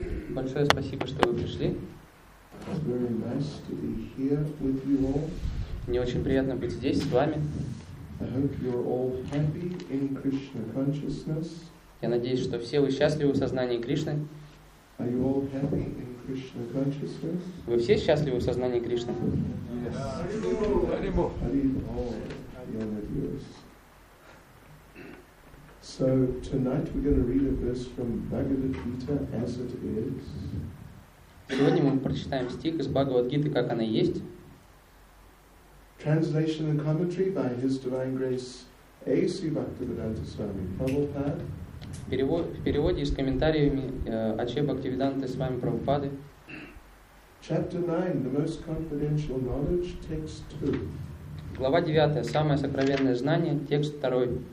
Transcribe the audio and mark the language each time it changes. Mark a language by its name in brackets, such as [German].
[Russian] Большое спасибо, что вы пришли. [English] Very nice to be here with you all. [Russian] Мне очень приятно быть здесь с вами. [English] I hope you're all happy in Krishna consciousness. [Russian] Я надеюсь, что все вы счастливы в сознании Кришны. [English] Are you all happy in Krishna consciousness? [Russian] Вы все счастливы в сознании Кришны? [English] Yes. So tonight we're going to read a verse from Bhagavad Gita as it is. [Russian] Сегодня мы прочитаем стих из Бхагавад Гиты, как она есть. [English] Translation and commentary by His Divine Grace A.C. Bhaktivedanta Swami Prabhupada. [Russian] В переводе и с комментариями Ачхе Бхактивиданты Свами Прабхупады. [English] Chapter 9, the most confidential knowledge, text 2. [Russian] Глава 9, самое сокровенное знание, текст 2.